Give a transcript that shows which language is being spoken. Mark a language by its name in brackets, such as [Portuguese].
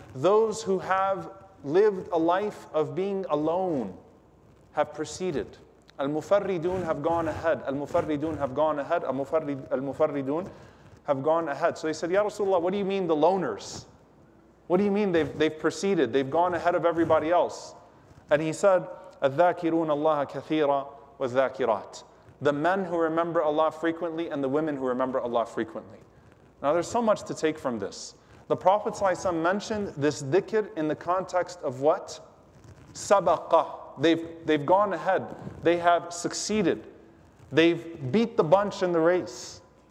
[English] Those who have lived a life of being alone have preceded. Al-mufarridun have gone ahead. Al-mufarridun have gone ahead. Al-mufarridun have gone ahead. So he said, Ya Rasulullah, what do you mean the loners? What do you mean they've preceded? They've gone ahead of everybody else. And he said, [Arabic] الذاكرون الله كثيرا والذاكرات. [English] The men who remember Allah frequently and the women who remember Allah frequently. Now there's so much to take from this. The Prophet ﷺ mentioned this dhikr in the context of what? Sabaqa. They've gone ahead. They have succeeded. They've beat the bunch in the race.